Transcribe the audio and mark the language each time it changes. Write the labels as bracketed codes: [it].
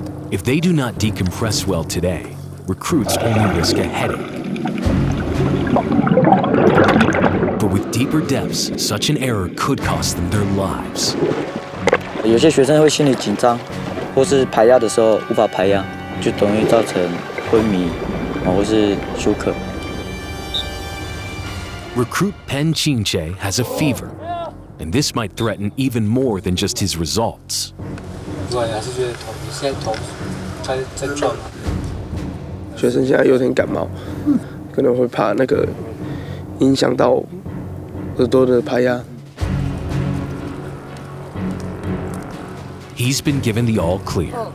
[en] If they do not decompress well today, recruits only risk a headache. But with deeper depths, such an error could cost them their lives. [zh] 有些学生会心理紧张，或是排压的时候无法排压，就容易造成昏迷，或是休克。 [en] Recruit Pen Qingche has a fever, and this might threaten even more than just his results. [zh] 对，还是觉得头，你现在头在转吗？学生现在有点感冒，可能会怕那个影响到。 [en] He's been given the all clear.